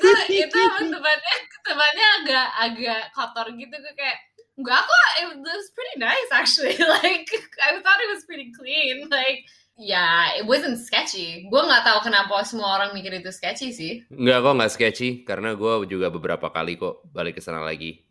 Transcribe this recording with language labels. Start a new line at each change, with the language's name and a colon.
Indonesian: itu emang temannya agak kotor gitu. Gue kayak, enggak kok,
English: it was pretty nice actually, like, I thought it was pretty clean, like, yeah, it wasn't sketchy.
Indonesian: Gue gak tahu kenapa semua orang mikir itu sketchy sih. Enggak kok gak sketchy, karena gue juga beberapa kali kok balik ke sana lagi.